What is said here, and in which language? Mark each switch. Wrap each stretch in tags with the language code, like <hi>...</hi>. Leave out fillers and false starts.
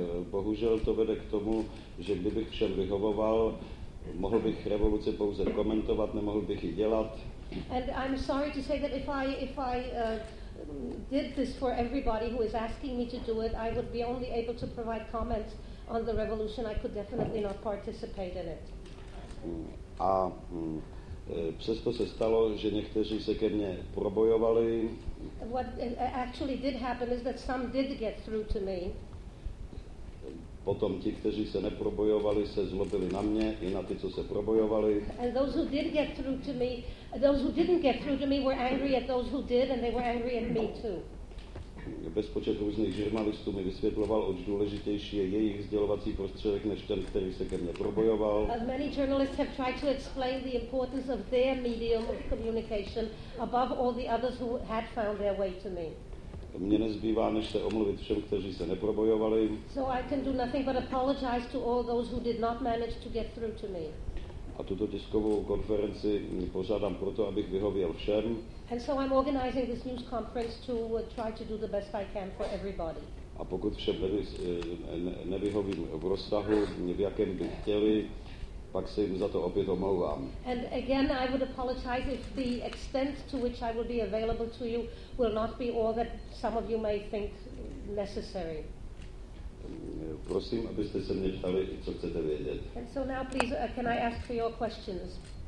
<cs>Bohužel to vede k tomu, že kdybych všem vyhovoval, mohl bych revoluci pouze komentovat, nemohl bych ji dělat.</cs> <en>And I'm sorry to say that if I did this for everybody who is asking me to do it, I would be only able to provide comments on the revolution. I could definitely not participate in it.</en> <cs>A přesto se stalo, že někteří se ke mně probojovali.</cs> <en>What actually did happen is that some did get through to me.</en> <cs>Potom ti, kteří se neprobojovali, se zlobili na mě i na ty, co se probojovali.</cs> <en>And those who did get through to me, those who didn't get through to me were angry at those who did and they were angry at me too.</en> <cs>Bezpočet různých žurnalistů mi vysvětloval, oč důležitější je jejich sdělovací prostředek než ten, který se ke mně probojoval.</cs> <en>Many journalists have tried to explain the importance of their medium of communication above all the others who had found their way to me.</en> <cs>Mně nezbývá, než se omluvit všem, kteří se neprobojovali.</cs> <en>So I can do nothing but apologize to all those who did not manage to get through to me.</en> <cs>A tuto tiskovou konferenci pořádám proto, abych vyhověl všem.</cs> <en>And so I'm organizing this news conference to try to do the best I can for everybody.</en> <cs>A pokud všem nevyhovím v rozsahu, v jakém by chtěli, pak se jim za to opět omlouvám.</cs> <en>And again, I would apologize if the extent to which I will be available to you will not be all that some of you may think necessary.</en> <cs>Prosím, abyste se mě ptali, co chcete vědět.</cs> <en>And so now, please, can I ask for your questions?</en>